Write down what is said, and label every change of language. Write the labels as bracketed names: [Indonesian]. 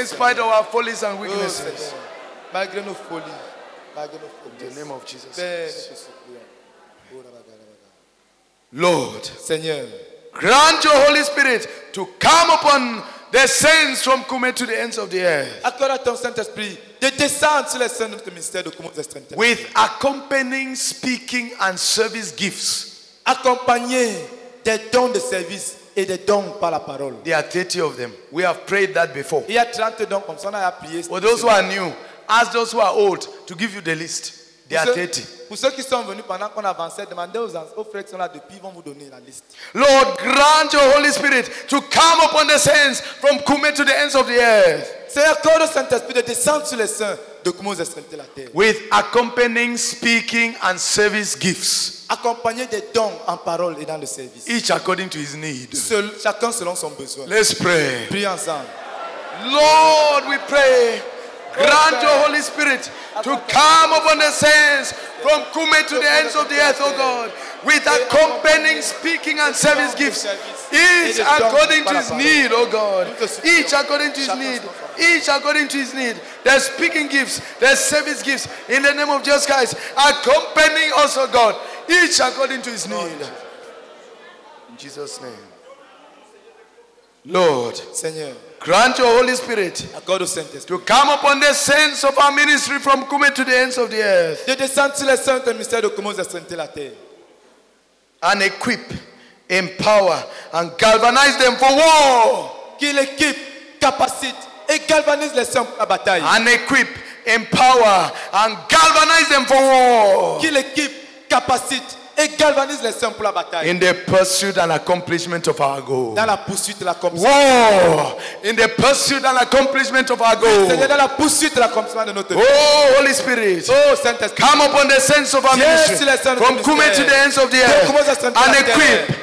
[English] In spite of our follies and weaknesses. [French] Malgré nos folies. Malgré nos folies. [English] In the name of Jesus Christ. Lord. [French] Seigneur. [English] Grant your Holy Spirit to come upon the saints from Kume to the ends of the earth. [French] Accorde à ton Saint-Esprit de descendre sur les saints de notre ministère de Kume aux extrémités. [English] With accompanying speaking and service gifts. [French] Accompagné des dons de service et des dons par la parole. [English] There are 30 of them. We have prayed that before. [French] Il y a 30 dons comme ça, on a prié. [English] For those who are new, ask those who are old to give you the list. There are 30. [French] Pour ceux qui sont venus pendant qu'on avançait, demandez aux frères qui sont là depuis, ils vont vous donner la liste. [English] Lord, grant your Holy Spirit to come upon the saints from Kume to the ends of the earth. [French] Seigneur, accorde au Saint-Esprit de descendre sur les saints de Kume aux extrémités de la terre. [English] With accompanying speaking and service gifts. [French] Accompagné des dons en parole et dans le service. [English] Each according to his need. [French] Chacun selon son besoin. [English] Let's pray. [French] Prions ensemble. [English] Lord, we pray. Grant your Holy Spirit to come upon the saints from Kume to the ends of the earth, O God, with accompanying speaking and service gifts, each according to his need, O God. Each according to his need. Each according to his need. The speaking gifts, the service gifts, in the name of Jesus Christ, accompanying us, O God, each according to his need. In Jesus' name. Lord. [French] Seigneur. [English] Grant your Holy Spirit God of Saint to come upon the saints of our ministry from Kume to the ends of the earth. [French] De descendre les saints du ministère de Kume aux extrémités de la terre. [English] And equip, empower, and galvanize them for war. [French] Qu'il équipe, capacite et galvanise les saints pour la bataille. [English] And equip, empower, and galvanize them for war. [French] Qu'il équipe, capacite et galvanise les saints pour la bataille. [English] In the pursuit and accomplishment of our goal. [French] Dans la poursuite et l'accomplissement. In the pursuit and accomplishment of our goal. Dans la poursuite et l'accomplissement de notre vie. [English] Oh Holy Spirit. [French] Oh Saint-Esprit. [English] Come upon the saints of our ministry. [French] Les saints [English] from Kume to the ends of the earth. And equip.